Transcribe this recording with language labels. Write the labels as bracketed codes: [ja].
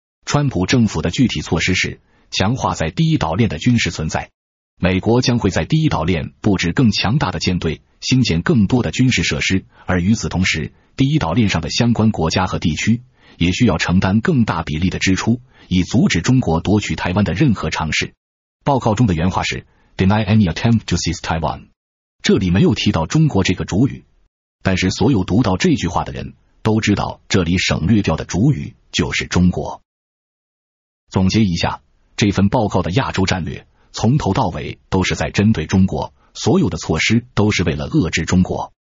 [zh] 川普政府的具体措施是强化在第一岛链的军事存在。美国将会在第一岛链布置更强大的舰队，兴建更多的军事设施，而与此同时，第一岛链上的相关国家和地区也需要承担更大比例的支出，以阻止中国夺取台湾的任何尝试。报告中的原话是 [en] Deny any attempt to seize Taiwan。 [zh] 这里没有提到中国这个主语，但是所有读到这句话的人都知道，这里省略掉的主语就是中国。总结一下，这份报告的亚洲战略从头到尾都是在针对中国，所有的措施都是为了遏制中国。